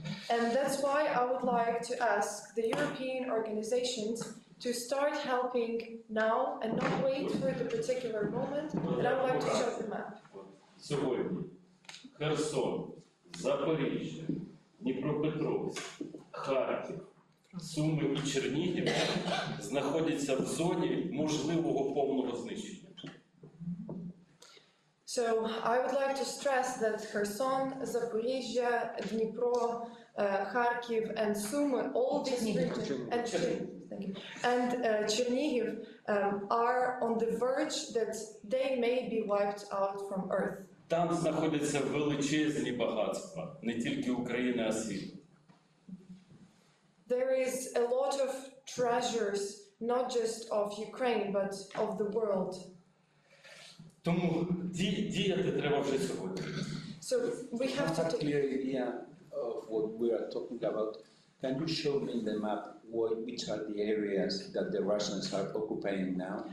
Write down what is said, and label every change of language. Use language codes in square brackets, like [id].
[en] And that's why I would like to ask the European organizations to start helping now and not wait for the particular moment, and I would like to show the map. [uk] Сьогодні Херсон, Запоріжжя, Дніпропетровськ, Харків, Суми і Чернігів знаходяться в зоні можливого повного знищення. [en] So, I would like to stress that Херсон, Запоріжжя, Дніпро, Харків and Суми, all these regions, and Чернігів are on the verge that they may be wiped out from earth. [uk] Там знаходяться величезні багатства, не тільки України, а світу. [en] There is a lot of treasures, not just of Ukraine, but of the world. [uk] Тому діяти треба вже сьогодні. [en] So we have to take of what we are talking about, can you show me the map which are the areas that the Russians are occupying now?